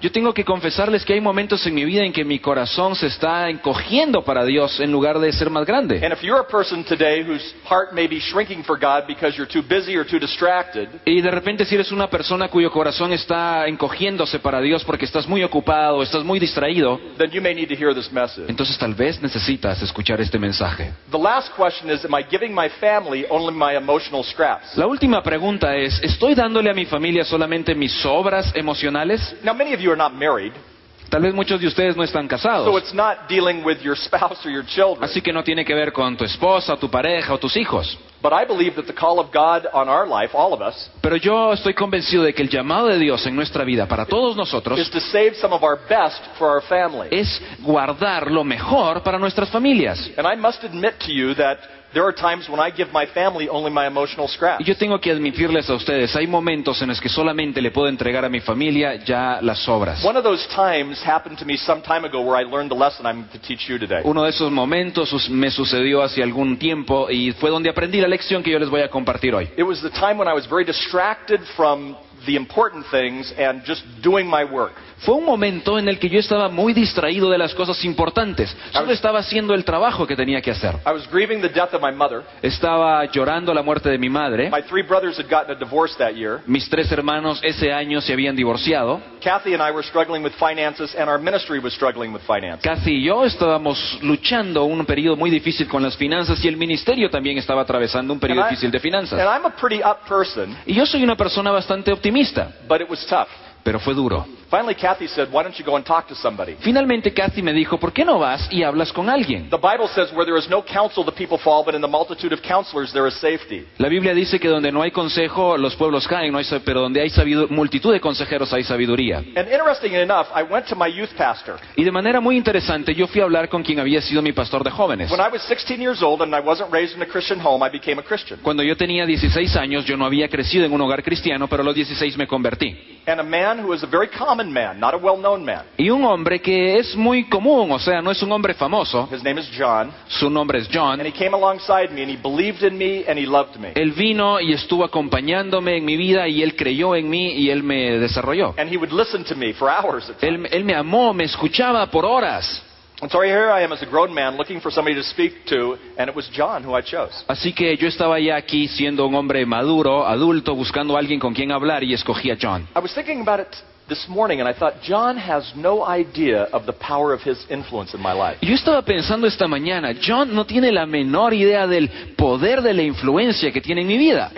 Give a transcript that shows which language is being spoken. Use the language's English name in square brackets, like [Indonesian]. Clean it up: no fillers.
[Spanish] Yo tengo que confesarles que hay momentos en mi vida en que mi corazón se está encogiendo para Dios en lugar de ser más grande. [English] And if you're a person today whose heart may be shrinking for God because you're too busy or too distracted, [Spanish] y de repente si eres una persona cuyo corazón está encogiéndose para Dios porque estás muy ocupado, estás muy distraído, [English] then you may need to hear this message. [Spanish] Entonces tal vez necesitas escuchar este mensaje. [English] The last question is, am I giving my family only my emotional scraps? [Spanish] La última pregunta es, ¿estoy dándole a mi familia solamente mis sobras emocionales? [English] Now many of you are not married. [Spanish] Tal vez muchos de ustedes no están casados. [English] So it's not dealing with your spouse or your children. [Spanish] Así que no tiene que ver con tu esposa, tu pareja o tus hijos. [English] But I believe that the call of God on our life, all of us, [Spanish] pero yo estoy convencido de que el llamado de Dios en nuestra vida para todos nosotros [English] is to save some of our best for our family. [Spanish] Es guardar lo mejor para nuestras familias. [English] And I must admit to you that there are times when I give my family only my emotional scraps. [Spanish] Yo tengo que admitirles a ustedes, hay momentos en los que solamente le puedo entregar a mi familia ya las sobras. [English] One of those times happened to me some time ago where I learned the lesson I'm to teach you today. [Spanish] Uno de esos momentos me sucedió hace algún tiempo y fue donde aprendí la lección que yo les voy a compartir hoy. [English] It was the time when I was very distracted from the important things and just doing my work. [Spanish] Fue un momento en el que yo estaba muy distraído de las cosas importantes. Solo estaba haciendo el trabajo que tenía que hacer. [English] I was grieving the death of my mother. [Spanish] Estaba llorando la muerte de mi madre. [English] My three brothers had gotten a divorce that year. [Spanish] Mis tres hermanos ese año se habían divorciado. [English] Kathy and I were struggling with finances and our ministry was struggling with finances. [Spanish] Kathy y yo estábamos luchando un periodo muy difícil con las finanzas y el ministerio también estaba atravesando un periodo difícil de finanzas. [English] And I'm a pretty up person. [Spanish] Y yo soy una persona bastante optimista. [English] But it was tough. [Spanish] Pero fue duro. [English] Finally, Kathy said, "Why don't you go and talk to somebody?" [Spanish] Finalmente, Kathy me dijo, "¿Por qué no vas y hablas con alguien?" [English] The Bible says, "Where there is no counsel, the people fall, but in the multitude of counselors there is safety." [Spanish] La Biblia dice que donde no hay consejo, los pueblos caen. No hay, pero donde hay multitud de consejeros, hay sabiduría. [English] And interestingly enough, I went to my youth pastor. [Spanish] Y de manera muy interesante, yo fui a hablar con quien había sido mi pastor de jóvenes. [English] When I was 16 years old and I wasn't raised in a Christian home, I became a Christian. [Spanish] Cuando yo tenía 16 años, yo no había crecido en un hogar cristiano, pero a los 16 me convertí. [English] And a man who is a very common man, not a well-known man. [Spanish] Y un hombre que es muy común, o sea, no es un hombre famoso. [English] His name is John. [Spanish] Su nombre es John. [English] And he came alongside me and he believed in me and he loved me. [Spanish] Él vino y estuvo acompañándome en mi vida y él creyó en mí y él me desarrolló. [English] And he would listen to me for hours at times. [Spanish] Él me amó, me escuchaba por horas. [English] And so here I am as a grown man looking for somebody to speak to, and it was John who I chose. [Spanish] Así que yo estaba ya aquí siendo un hombre maduro, adulto, buscando a alguien con quien hablar y escogí a John. [English] I was thinking about it this morning and I thought, John has no idea of the power of his influence in my life. [Spanish] Yo estaba pensando esta mañana, John no tiene la menor idea del poder de la influencia que tiene en mi vida.